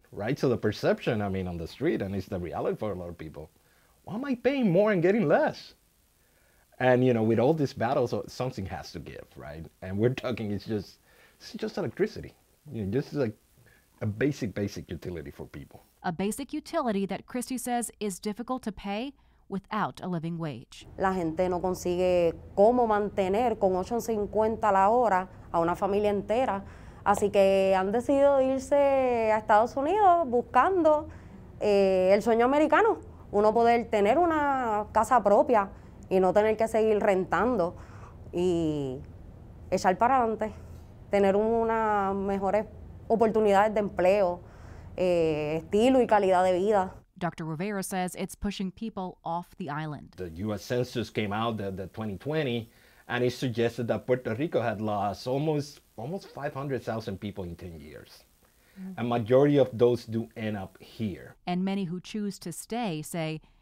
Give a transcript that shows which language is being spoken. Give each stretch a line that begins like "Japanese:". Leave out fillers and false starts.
English: Right, so the perception, I mean, on the street, and it's the reality for a lot of people. Why am I paying more and getting less? And, you know, with all these battles, something has to give, right? And we're talking, it's just electricity. You know, this is like a basic utility for people. A basic utility that Christy says is difficult to pay without a living wage.
Spanish: La gente no consigue cómo mantener con 8.50 la hora a una familia entera. Así que han decidido irse a Estados Unidos buscando el sueño americano. Uno poder tener una casa propia y no tener que seguir rentando y echar para adelante. Tener unas mejores oportunidades de empleo, estilo y calidad de vida.
English: Dr. Rivera says it's pushing people off the island. The U.S. Census came out in 2020, and it suggested that Puerto Rico had lost almost 500,000 people in 10 years. Mm-hmm. A majority of those do end up here. And many who choose to stay say